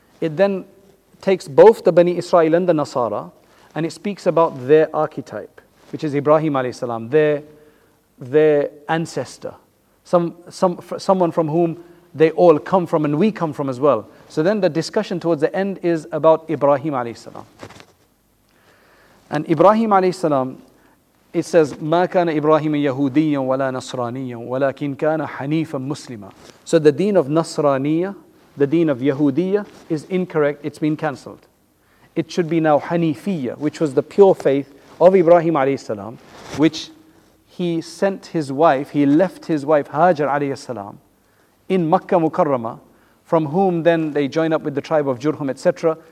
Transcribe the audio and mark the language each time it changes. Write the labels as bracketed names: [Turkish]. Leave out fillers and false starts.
[English] It then takes both the Bani Israel and the Nasara, and it speaks about their archetype. which is Ibrahim alayhi salam, their ancestor, someone from whom they all come from and we come from as well. So then the discussion towards the end is about Ibrahim alayhi salam. And Ibrahim alayhi salam, it says, [Arabic] مَا كَانَ إِبْرَاهِيمَ يَهُودِيًّا وَلَا نَصْرَانِيًّا وَلَكِنْ كَانَ حَنِيفًا مُسْلِمًا. [English] So the deen of Nasraniyah, the deen of Yahudiyah, is incorrect, it's been cancelled. It should be now Hanifiyah, which was the pure faith of Ibrahim alayhi salam, which he sent his wife, he left his wife Hajar alayhi salam in Makkah Mukarramah, from whom then they join up with the tribe of Jurhum, etc.